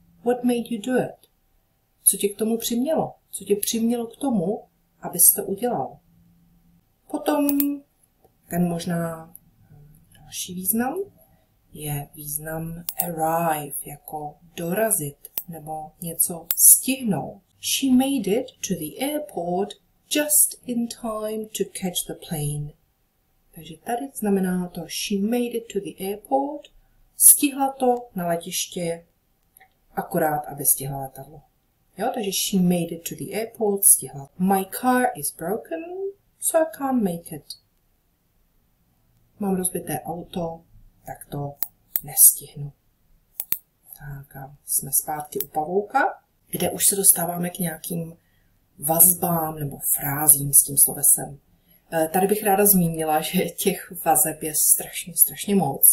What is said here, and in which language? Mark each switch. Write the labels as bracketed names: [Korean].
[English] What made you do it? [Czech] Co tě k tomu přimělo? Co tě přimělo k tomu, abys to udělal? Potom ten možná další význam je význam arrive, jako dorazit nebo něco stihnout. [English] She made it to the airport just in time to catch the plane. [Czech] Takže tady znamená to, [English] she made it to the airport, [Czech] stihla to na letiště akorát, aby stihla letadlo. Jo, takže [English] she made it to the airport, [Czech] stihla. [English] My car is broken, so I can't make it. [Czech] Mám rozbité auto, tak to nestihnu. Tak a jsme zpátky u pavouka, kde už se dostáváme k nějakým vazbám nebo frázím s tím slovesem. Tady bych ráda zmínila, že těch vazeb je strašně, strašně moc.